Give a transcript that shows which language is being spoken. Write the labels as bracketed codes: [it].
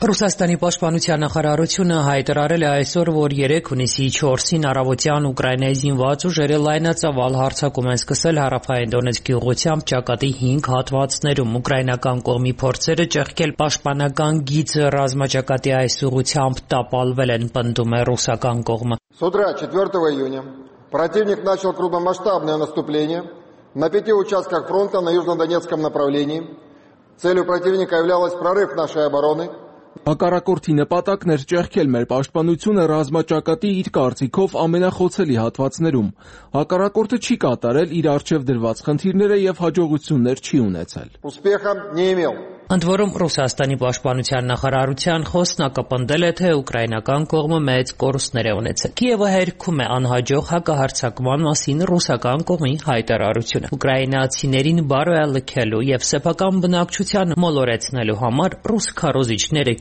[hy] Ռուսաստանի պաշտպանության նախարարությունը հայտարարել է այսօր, որ 3 հունիսի 4-ին առավոտյան Ուկրաինայի զինված ուժերը լայնածավալ հարձակում են սկսել հարավային Դոնեցկի ուղությամբ ճակատի 5 հատվածներում։ Ուկրաինական կողմի փորձերը ճեղքել պաշտպանական գիծը ռազմաճակատի այս ուղությամբ տապալվել են, պնդում է ռուսական կողմը։ [ru] С утра 4 июня противник начал крупномасштабное наступление на 5 участках фронта на Южно-Донецком направлении. Целью противника являлось прорыв нашей обороны. [hy] Հակառակորդի նպատակն էր ճեղքել մեր պաշտպանությունը ռազմաճակատի իր կարծիքով ամենախոցելի հատվածներում։ Հակառակորդը չի կատարել իր առջև դրված խնդիրները և հաջողություններ չի ունեցել։ [ru] Успехом не имел. [hy] Ընդ որում Ռուսաստանի պաշտպանության նախարարության խոսնակը պնդել է, թե ուկրաինական կողմը մեծ կորուստներ է ունեցել։ Կիևը հերքում է անհաջող հակահարձակման մասին ռուսական կողմի հայտարարությունը։ Ուկրաինացիներին բարոյալքելու և սեփական բնակչության մոլորեցնելու համար ռուս քարոզիչները